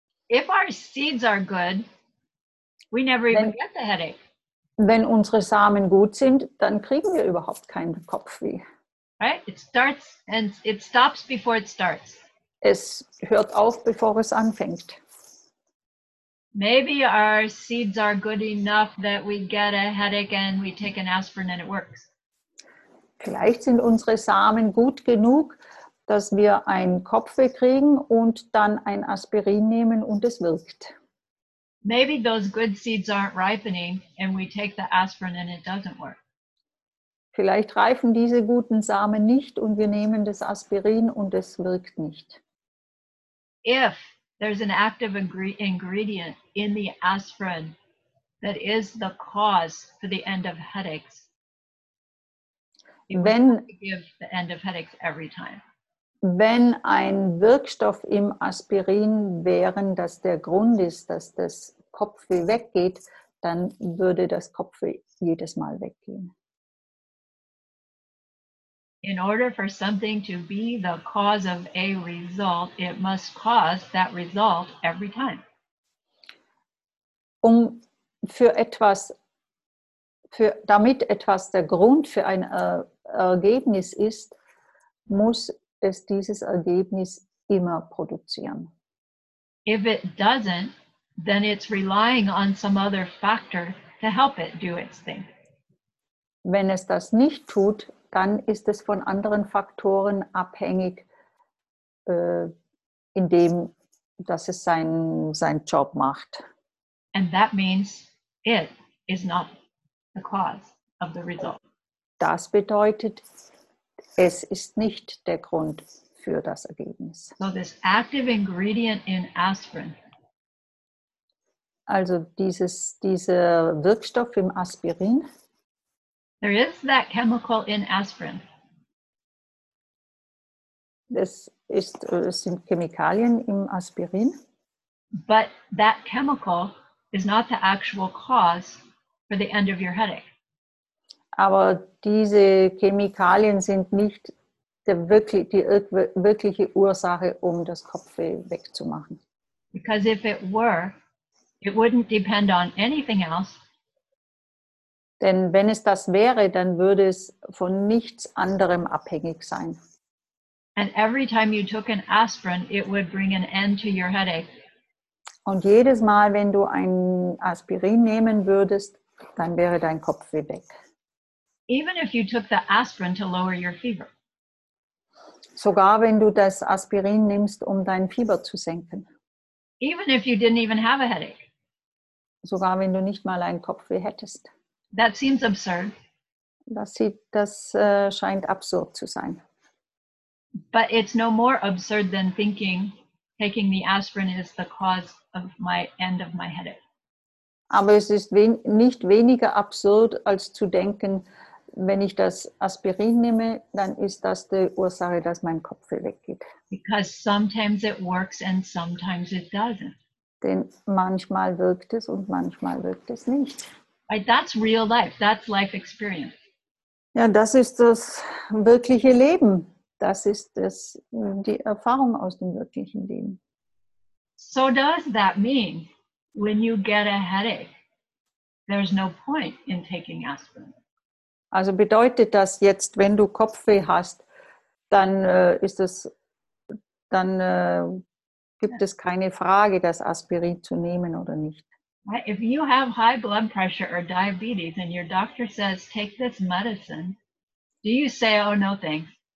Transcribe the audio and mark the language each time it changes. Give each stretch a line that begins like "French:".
English: If our seeds are good, we never even get the headache.
German: Wenn unsere Samen gut sind, dann kriegen wir überhaupt keinen Kopfweh.
English: Right? It starts and it stops before it starts.
German: Es hört auf, bevor es anfängt.
English: Maybe our seeds are good enough that we get a headache and we take an aspirin and it works.
German: Vielleicht sind unsere Samen gut genug, dass wir einen Kopfweh kriegen und dann ein Aspirin nehmen und es wirkt.
English: Maybe those good seeds aren't ripening and we take the aspirin and it doesn't work.
German: Vielleicht reifen diese guten Samen nicht und wir nehmen das Aspirin und es wirkt nicht.
English: If there's an active ingredient in the aspirin that is the cause for the end of headaches,
German: wenn,
English: give the end of headaches every time.
German: Wenn ein Wirkstoff im Aspirin wäre, dass der Grund ist, dass das Kopfweh weggeht, dann würde das Kopfweh jedes Mal weggehen.
English: In order for something to be the cause of a result, it must cause that result every time.
German: Damit etwas der Grund für ein Ergebnis ist, muss es dieses Ergebnis immer produzieren.
English: If it doesn't, then it's relying on some other factor to help it do its thing.
German: Wenn es das nicht tut, dann ist es von anderen Faktoren abhängig, indem dass es sein Job macht.
English: And that means it is not the cause of the result.
German: Das bedeutet, es ist nicht der Grund für das Ergebnis.
English: So this active ingredient in aspirin.
German: Also dieser Wirkstoff im Aspirin.
English: There is that chemical in aspirin.
German: Es sind Chemikalien im Aspirin.
English: But that chemical is not the actual cause for the end of your headache.
German: Aber diese Chemikalien sind nicht die wirkliche Ursache, um das Kopfweh wegzumachen.
English: Because if it were, it wouldn't depend on anything else.
German: Denn wenn es das wäre, dann würde es von nichts anderem abhängig sein.
English: And every time you took an aspirin, it would bring an end to your headache.
German: Und jedes Mal, wenn du ein Aspirin nehmen würdest, dann wäre dein Kopfweh weg.
English: Even if you took the aspirin to lower your fever.
German: Sogar wenn du das Aspirin nimmst, um dein Fieber zu senken.
English: Even if you didn't even have a headache.
German: Sogar wenn du nicht mal einen Kopfweh hättest.
English: That seems absurd.
German: Das scheint absurd zu sein.
English: But it's no more absurd than thinking taking the aspirin is the cause of my end of my headache.
German: Aber es ist nicht weniger absurd, als zu denken, wenn ich das Aspirin nehme, dann ist das die Ursache, dass mein Kopfweh weggeht.
English: Because sometimes it works and sometimes it doesn't.
German: Denn manchmal wirkt es und manchmal wirkt es nicht.
English: Right, that's real life. That's life experience.
German: Ja, das ist das wirkliche Leben. Das ist das, die Erfahrung aus dem wirklichen Leben.
English: So does that mean, when you get a headache, there's no point in taking aspirin?
German: Also bedeutet das jetzt, wenn du Kopfweh hast, dann gibt es keine Frage, das Aspirin zu nehmen oder nicht.
English: If you have high blood pressure or diabetes and your doctor says, take this medicine, do you say, oh, no, thanks?